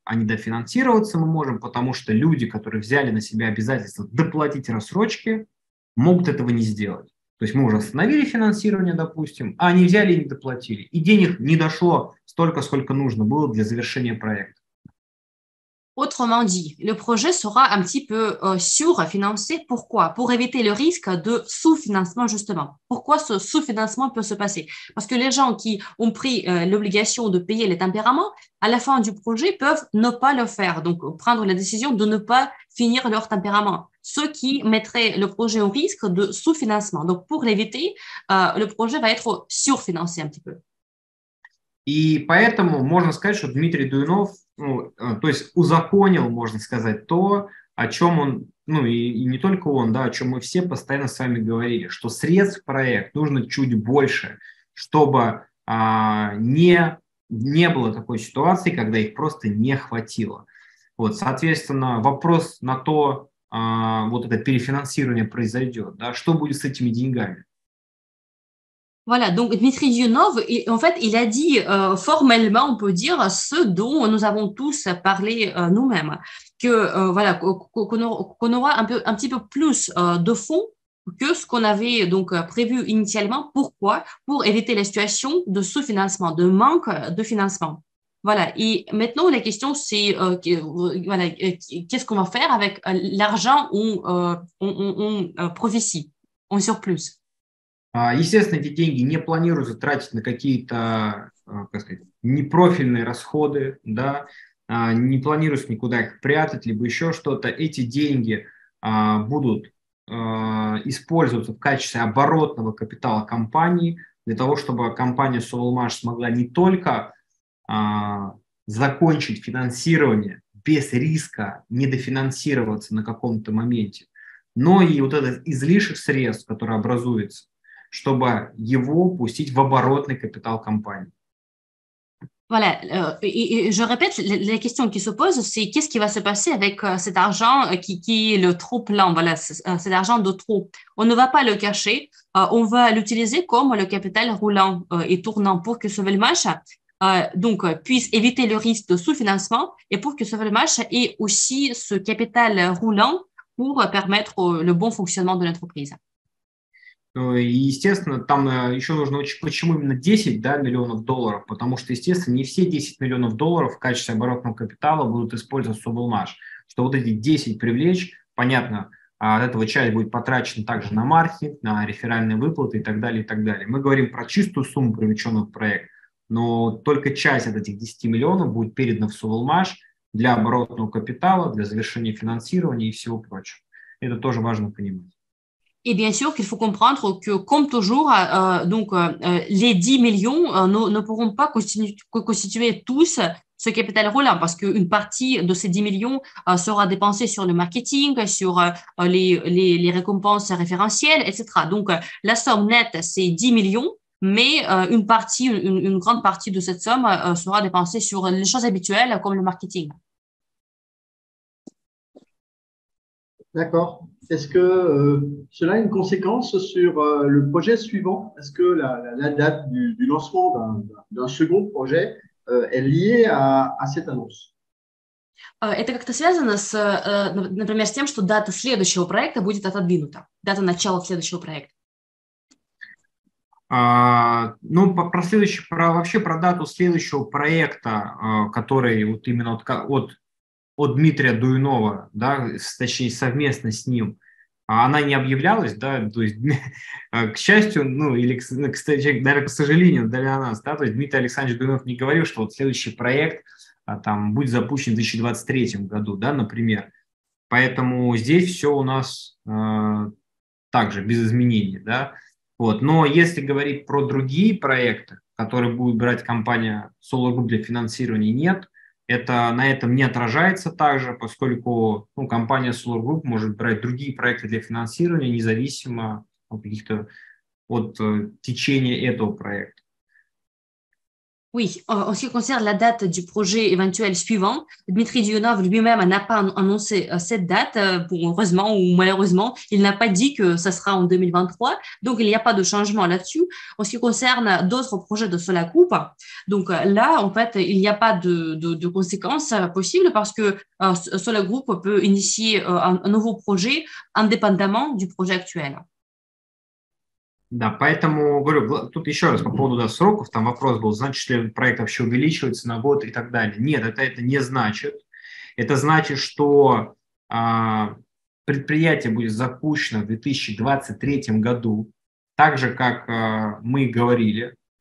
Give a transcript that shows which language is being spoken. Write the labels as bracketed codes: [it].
[ru] А недофинансироваться мы можем, потому что люди, которые взяли на себя обязательство доплатить рассрочки, могут этого не сделать. То есть мы уже остановили финансирование, допустим, а они взяли и не доплатили. И денег не дошло столько, сколько нужно было для завершения проекта. [fr] Autrement dit, le projet sera un petit peu surfinancé. Pourquoi? Pour éviter le risque de sous-financement, justement. Pourquoi ce sous-financement peut se passer? Parce que les gens qui ont pris l'obligation de payer les tempéraments, à la fin du projet, peuvent ne pas le faire, donc prendre la décision de ne pas finir leur tempérament, ce qui mettrait le projet au risque de sous-financement. Donc, pour l'éviter, le projet va être surfinancé un petit peu. [ru] И поэтому можно сказать, что Дмитрий Дуйнов, ну, то есть узаконил, можно сказать, то, о чем он, ну и не только он, да, о чем мы все постоянно с вами говорили, что средств в проект нужно чуть больше, чтобы не было такой ситуации, когда их просто не хватило. Вот, соответственно, вопрос на то, вот это перефинансирование произойдет, да, что будет с этими деньгами? [fr] Voilà, donc Dmitri Dionov, en fait, il a dit formellement, on peut dire, ce dont nous avons tous parlé nous-mêmes, que, voilà, qu'on aura un petit peu plus de fonds que ce qu'on avait donc, prévu initialement. Pourquoi? Pour éviter la situation de sous-financement, de manque de financement. Voilà, et maintenant, la question, c'est voilà, qu'est-ce qu'on va faire avec l'argent on prophétie, en surplus? [ru] Естественно, эти деньги не планируются тратить на какие-то, как сказать, непрофильные расходы, да, не планируются никуда их прятать, либо еще что-то. Эти деньги будут использоваться в качестве оборотного капитала компании для того, чтобы компания Sovelmash смогла не только закончить финансирование без риска недофинансироваться на каком-то моменте, но и вот этот излишек средств, который образуется, чтобы его пустить в оборотный капитал компании. [fr] Voilà, et je répète, la question qui se pose, c'est qu'est-ce qui va se passer avec cet argent qui est le trop-plein, voilà, cet argent de trop. On ne va pas le cacher, on va l'utiliser comme le capital roulant et tournant pour que Sovelmash donc, puisse éviter le risque de sous-financement et pour que Sovelmash ait aussi ce capital roulant pour permettre le bon fonctionnement de l'entreprise. [ru] И, естественно, там еще нужно учесть, почему именно 10, да, миллионов долларов, потому что, естественно, не все 10 миллионов долларов в качестве оборотного капитала будут использоваться Sovelmash. Что вот эти 10 привлечь, понятно, от этого часть будет потрачена также на маркетинг, на реферальные выплаты и так далее, и так далее. Мы говорим про чистую сумму, привлеченную в проект, но только часть от этих 10 миллионов будет передана в Sovelmash для оборотного капитала, для завершения финансирования и всего прочего. Это тоже важно понимать. [fr] Et bien sûr qu'il faut comprendre que, comme toujours, les 10 millions ne pourront pas constituer tous ce capital roulant parce qu'une partie de ces 10 millions sera dépensée sur le marketing, sur les récompenses référentielles, etc. Donc, la somme nette, c'est 10 millions, Mais une grande partie de cette somme sera dépensée sur les choses habituelles comme le marketing. D'accord. Est-ce que cela a une conséquence sur le projet suivant? Est-ce que la date du lancement d'un second projet est liée à cette annonce? [ru] Это как-то связано с, например, с тем, что дата следующего проекта будет отодвинута, дата начала следующего проекта. Про следующий, вообще про дату следующего проекта, который вот именно от Дмитрия Дуйнова, да, точнее, совместно с ним, она не объявлялась, да, то есть, к счастью, ну, или, кстати, наверное, к сожалению для нас, да, то есть Дмитрий Александрович Дуйнов не говорил, что вот следующий проект, там, будет запущен в 2023 году, да, например. Поэтому здесь все у нас, также без изменений, да. Вот. Но если говорить про другие проекты, которые будет брать компания Solar Group для финансирования, нет, это на этом не отражается также, поскольку, ну, компания Solar Group может брать другие проекты для финансирования, независимо от течения этого проекта. [fr] Oui, en ce qui concerne la date du projet éventuel suivant, Dmitri Dionov lui-même n'a pas annoncé cette date, heureusement ou malheureusement, il n'a pas dit que ce sera en 2023, donc il n'y a pas de changement là-dessus. En ce qui concerne d'autres projets de Solar Group, donc là, en fait, il n'y a pas de conséquences possibles parce que Solar Group peut initier un nouveau projet indépendamment du projet actuel. [ru] Да, поэтому говорю, тут еще раз по поводу, да, сроков, там вопрос был, значит ли проект вообще увеличивается на год и так далее. Нет, это не значит. Это значит, что предприятие будет запущено в 2023 году, так же, как мы говорили.